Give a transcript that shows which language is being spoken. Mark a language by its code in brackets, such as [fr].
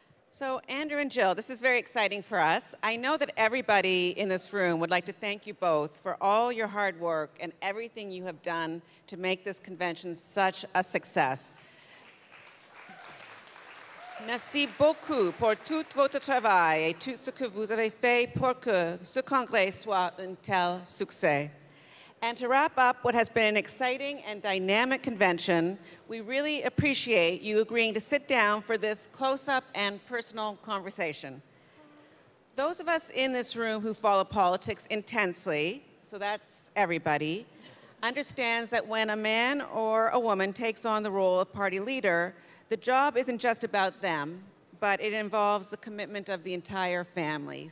[en] So, Andrew and Jill, this is very exciting for us. I know that everybody in this room would like to thank you both for all your hard work and everything you have done to make this convention such a success. [fr] Merci beaucoup pour tout votre travail et tout ce que vous avez fait pour que ce congrès soit un tel succès. [en] And to wrap up what has been an exciting and dynamic convention, we really appreciate you agreeing to sit down for this close-up and personal conversation. Those of us in this room who follow politics intensely, so that's everybody, understands that when a man or a woman takes on the role of party leader, the job isn't just about them, but it involves the commitment of the entire family.